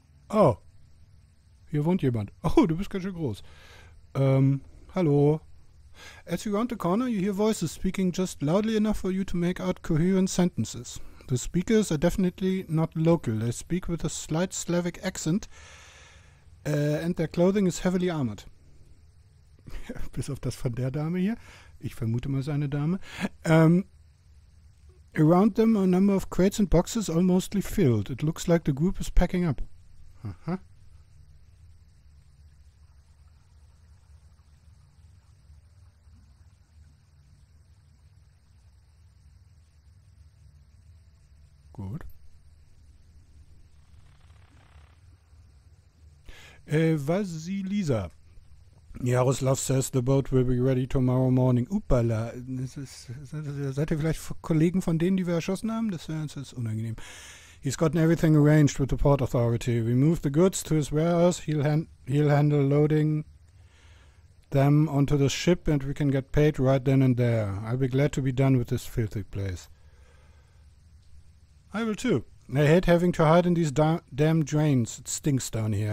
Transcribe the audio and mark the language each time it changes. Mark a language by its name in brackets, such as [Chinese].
[German] Oh, hier wohnt jemand. Oh, du bist ganz schön groß. Hallo. [English] As you round the corner, you hear voices speaking just loudly enough for you to make out coherent sentences. The speakers are definitely not local. They speak with a slight Slavic accent, and their clothing is heavily armored. [German] Bis auf das von der Dame hier. Ich vermute mal, seine Dame. [English] Around them are a number of crates and boxes, all mostly filled. It looks like the group is packing up. [German] Gut. [English] Vasilisa. Jaroslav says the boat will be ready tomorrow morning. Upala. [German] Seid ihr vielleicht Kollegen von denen, die wir erschossen haben? Das ist unangenehm. [English] He's gotten everything arranged with the port authority. We move the goods to his warehouse. He'll handle loading them onto the ship and we can get paid right then and there. I'll be glad to be done with this filthy place. I will too. I hate having to hide in these damn drains. It stinks down here.